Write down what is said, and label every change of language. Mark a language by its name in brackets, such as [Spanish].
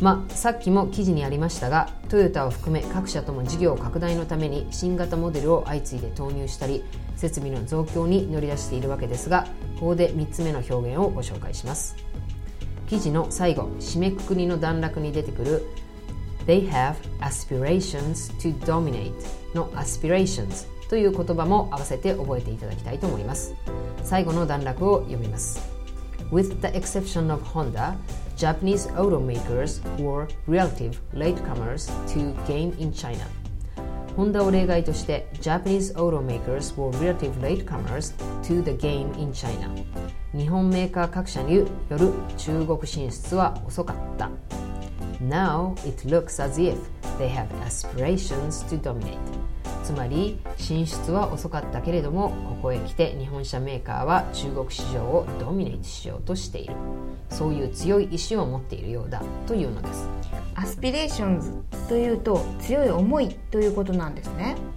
[Japanese] さっきも記事にありましたが、トヨタを含め各社とも事業拡大のために新型モデルを相次いで投入したり、設備の増強に乗り出しているわけですが、ここで3つ目の表現をご紹介します。記事の最後、締めくくりの段落に出てくる [English] They have aspirations to dominate [Japanese] の aspirations という言葉も合わせて覚えていただきたいと思います。最後の段落を読みます。 [English] With the exception of HondaJapanese automakers were relative latecomers to game in China. Honda [Japanese] を例外として、 [English] Japanese automakers were relative latecomers to the game in China. [Japanese] 日本メーカー各社による中国進出は遅かった。 [English] Now it looks as if they have aspirations to dominate. [Japanese] つまり、進出は遅かったけれども、ここへ来て日本車メーカーは中国市場をドミネートしようとしている。そういう強い意志を持っているようだというのです。アスピレーションズというと強い思いということなんですね。